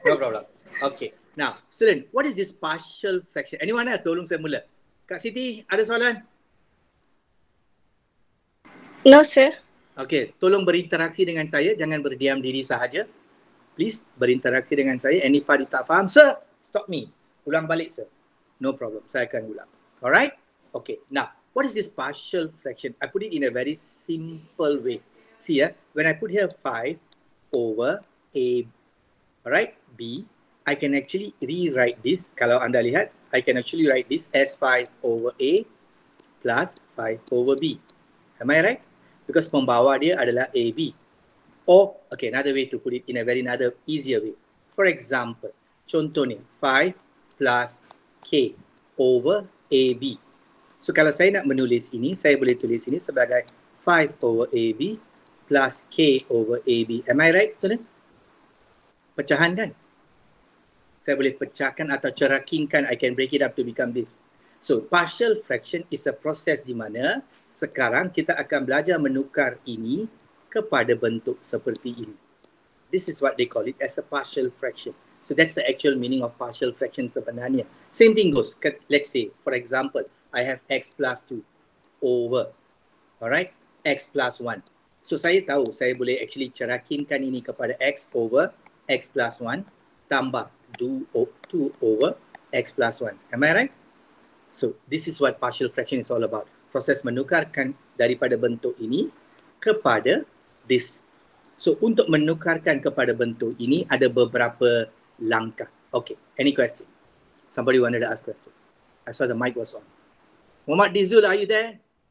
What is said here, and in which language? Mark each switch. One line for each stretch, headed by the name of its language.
English: No problem. Okay. Now, student, what is this partial fraction? Anyone else?
Malay: Sebelum saya mula. Kak Siti, ada soalan?
English: No, sir. Okay.
Malay: Tolong berinteraksi dengan saya. Jangan berdiam diri sahaja. Please berinteraksi dengan saya.
English: Any part you
Malay: tak faham,
English: sir, stop me.
Malay: Ulang balik, sir.
English: No problem.
Malay: Saya akan ulang. Alright? Okay.
English: Now, what is this partial fraction? I put it in a very simple way. See, when I put here 5 over A, alright, B, I can actually rewrite this.
Malay: Kalau anda lihat,
English: I can actually write this as 5 over A plus 5 over B. Am I right?
Malay: because pembawa dia adalah AB.
English: Or, okay, another way to put it in a very another easier way. For example, contohnya, 5 plus K over AB.
Malay: So, kalau saya nak menulis ini, saya boleh tulis ini sebagai 5 over AB plus K over AB.
English: Am I right, students?
Malay: Pecahan kan? Saya boleh pecahkan atau cerakinkan.
English: I can break it up to become this. So, partial fraction is a process
Malay: di mana sekarang kita akan belajar menukar ini kepada bentuk seperti ini.
English: This is what they call it as a partial fraction. So, that's the actual meaning of partial fraction sebenarnya. Same thing goes. Let's say, for example, I have x plus 2 over, alright, x plus 1.
Malay: So, saya tahu saya boleh actually cerakinkan ini kepada x over x plus 1 tambah 2 over x plus 1.
English: Am I right? So, this is what partial fraction is all about.
Malay: Proses menukarkan daripada bentuk ini kepada this. So, untuk menukarkan kepada bentuk ini ada beberapa langkah. Okay,
English: any question? Somebody wanted to ask question. I saw the mic was on. Muhammad Dizul, are you there?